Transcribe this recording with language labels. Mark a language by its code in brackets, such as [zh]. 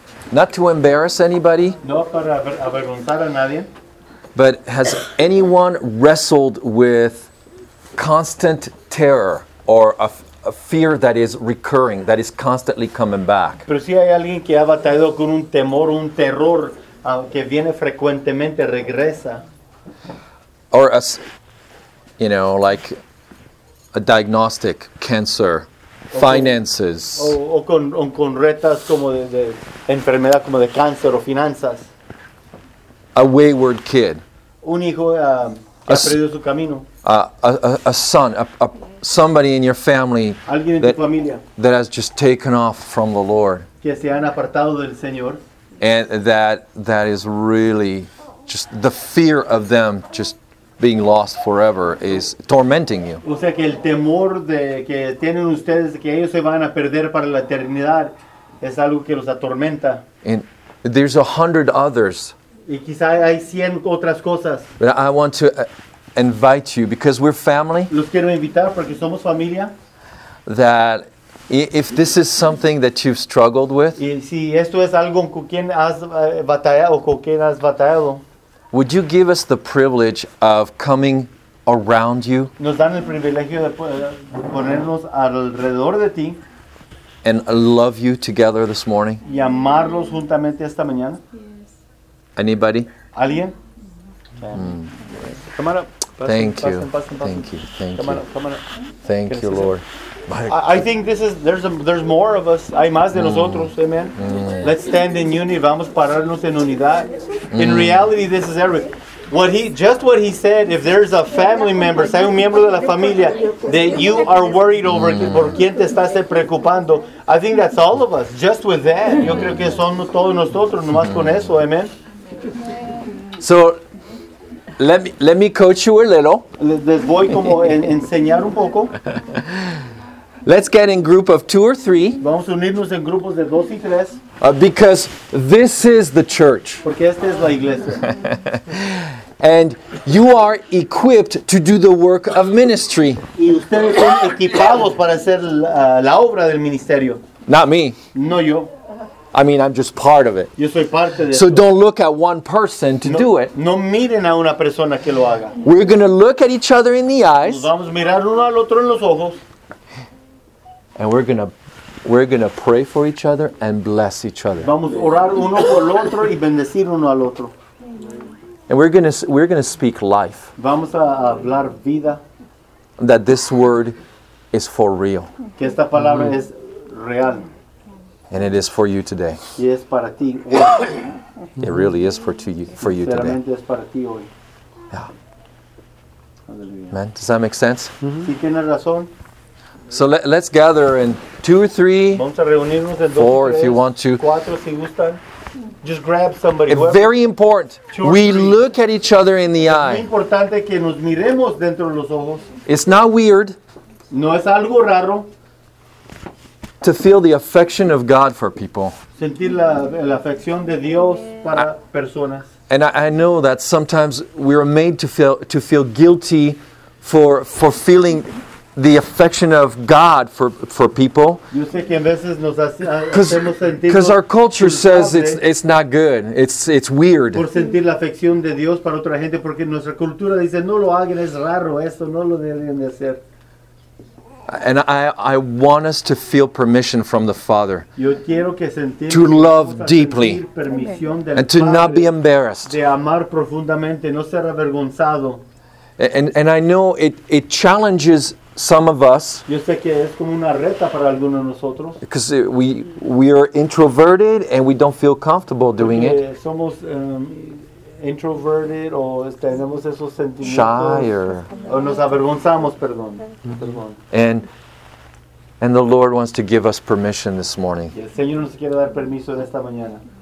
[en] Not to embarrass anybody. [es] No, para avergonzar a nadie. [en] But has anyone wrestled with constant terror or a fear that is recurring, that is constantly coming back? [es] Pero si hay alguien que ha batallado con un temor, un terror que viene frecuentemente, regresa. [en] Or a, you know, like a diagnostic, cancer. Finances. [es] O con retas como de enfermedad, como de cáncer o finanzas. [en] A wayward kid. [es] Un hijo que ha perdido su camino. [en] A son, a somebody in your family that has just taken off from the Lord. [es] Que se han apartado del Señor. [en] And that is really just the fear of them just being lost forever is tormenting you. [es] O sea que el temor de que tienen ustedes que ellos se van a perder para la eternidad es algo que los atormenta. [en] And there's 100 others. [es] Y quizá hay 100 otras cosas. [en] But I want to invite you because we're family. [es] Los quiero invitar porque somos familia. [en] That if this is something that you've struggled with. [es] Y si esto es algo con quien has batallado o con quien has batallado. [en] Would you give us the privilege of coming around you? [es] Nos dan el privilegio de ponernos alrededor de ti. [en] And love you together this morning? [es] Y amarlos juntamente esta mañana. [en] Anybody? [es] Alguien? [en] Come on up. Thank you, Lord. I think this is there's more of us. [es] Hay más de nosotros. Amen. [en] Let's stand in unity. [es] Vamos pararnos en unidad. [en] In reality, this is everything. What he said. If there's a family member, [es] si hay un miembro de la familia [en] that you are worried over, [es] por quién te estás preocupando. [en] I think that's all of us. Just with that, [es] yo creo que son todos nosotros. Nomás con eso. [en] Amen. So. Let me coach you a little. [es] Les voy como enseñar un poco. [en] Let's get in group of two or three. [es] Vamos a unirnos en grupos de dos y tres. [en] Because this is the church. [es] Porque esta es la iglesia. [en] And you are equipped to do the work of ministry. [es] Y ustedes son equipados para hacer la obra del ministerio. [en] Not me. [es] No yo. [en] I mean, I'm just part of it. [es] Yo soy parte de [en] so [es] esto. [en] Don't look at one person to [es] no, [en] do it. [es] No miren a una persona que lo haga. [en] We're going to look at each other in the eyes. [es] Nos vamos a mirar uno al otro en los ojos. [en] And we're going to We're going to pray for each other and bless each other. [es] Vamos a orar uno por el otro y bendecir uno al otro. [en] And we're going to speak life. [es] Vamos a hablar vida. [en] That this word is for real. [es] Que esta palabra es real. [en] And it is for you today. [es] Y es para ti. [en] It really is for you today. [es] Es para ti hoy. [en] Yeah. Man, does that make sense? [es] Mm-hmm. Si tiene razón. [en] So let's gather in two or three, [es] vamos a reunirnos en dos, [en] four, [es] tres, [en] if you want to. [es] Cuatro, si gustan. [en] Just grab somebody. It's very important. We look at each other in the eye. [es] Es importante que nos miremos dentro de los ojos. [en] It's not weird. [es] No es algo raro. [en] To feel the affection of God for people. [es] Sentir la afección de Dios para personas. [en] And I know that sometimes we are made to feel guilty for feeling the affection of God for people. Because our culture says it's not good. It's weird. [es] Por sentir la afección de Dios para otra gente, porque nuestra cultura dice no lo hagan, es raro eso, no lo deben de hacer. [en] And I want us to feel permission from the Father. [es] Yo quiero que sentir, [en] to love deeply. [es] Permisión del [en] and to [es] Padre, [en] not be embarrassed. [es] De amar profundamente, no ser avergonzado. [en] And I know it challenges some of us. [es] Yo sé que es como una reta para algunos de nosotros. [en] Because we are introverted and we don't feel comfortable doing it. [es] Somos introverted o tenemos esos sentimientos. [en] Shy or... [es] O nos avergonzamos, perdón. Mm-hmm. [en] And the Lord wants to give us permission this morning. [es] Y el Señor nos quiere dar permiso en esta mañana.